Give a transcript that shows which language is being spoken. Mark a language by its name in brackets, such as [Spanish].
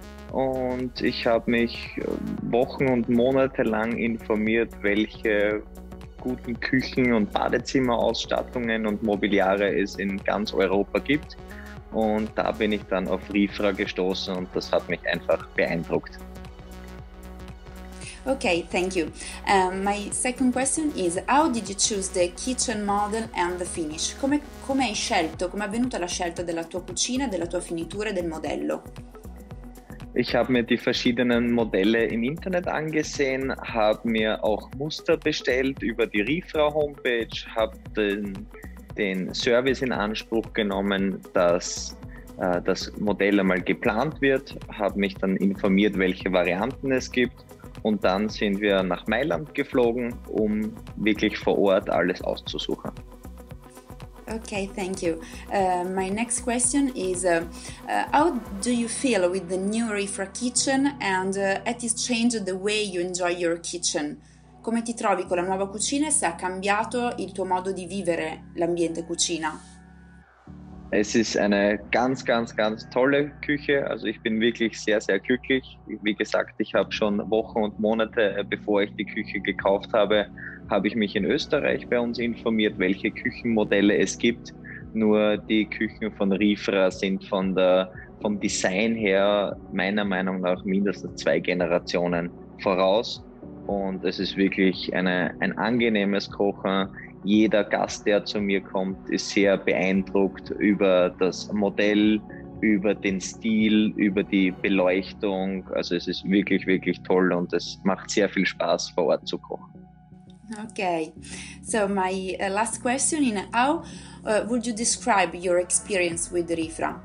[German] Und ich habe mich Wochen und Monate lang informiert, welche guten Küchen- und Badezimmerausstattungen und Mobiliare es in ganz Europa gibt. Und da bin ich dann auf RiFRA gestoßen und das hat mich einfach beeindruckt. [English] Okay, thank you. My second question is, how did you choose the kitchen model and the finish? [Italian] Come hai scelto, come è avvenuta la scelta della tua cucina, della tua finitura e del modello? [German] Ich habe mir die verschiedenen Modelle im Internet angesehen, habe mir auch Muster bestellt über die RiFRA-Homepage, habe den Service in Anspruch genommen, dass das Modell einmal geplant wird, habe mich dann informiert, welche Varianten es gibt und dann sind wir nach Mailand geflogen, um wirklich vor Ort alles auszusuchen. [English] Okay, thank you. My next question is how do you feel with the new RiFRA kitchen and it has changed the way you enjoy your kitchen? [Italian] Come ti trovi con la nuova cucina e se ha cambiato il tuo modo di vivere l'ambiente cucina? [German] Es ist eine ganz, ganz, ganz tolle Küche. Also ich bin wirklich sehr, sehr glücklich. Wie gesagt, ich habe schon Wochen und Monate, bevor ich die Küche gekauft habe, habe ich mich in Österreich bei uns informiert, welche Küchenmodelle es gibt. Nur die Küchen von RiFRA sind vom Design her meiner Meinung nach mindestens 2 Generationen voraus. Und es ist wirklich ein angenehmes Kochen. Jeder Gast, der zu mir kommt, ist sehr beeindruckt über das Modell, über den Stil, über die Beleuchtung. Also es ist wirklich, wirklich toll und es macht sehr viel Spaß, vor Ort zu kochen. [English] Okay, so my last question is how would you describe your experience with Rifra?